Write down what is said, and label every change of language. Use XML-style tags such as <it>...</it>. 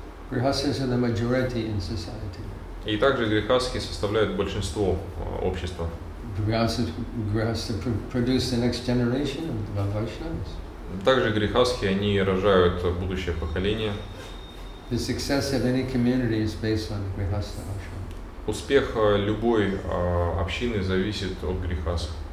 <en>Грихаскис are the majority in society.</en> <ru>И также грихаски составляют большинство общества.</ru> <en>Grihastha produce the next generation of Vaishnavas.</en> <ru>Также грихасхи, они рожают будущее поколение.</ru> <en>The success of any community is based on grihastha ashram.</en> <ru>Успех любой общины зависит от грихасх.</ru>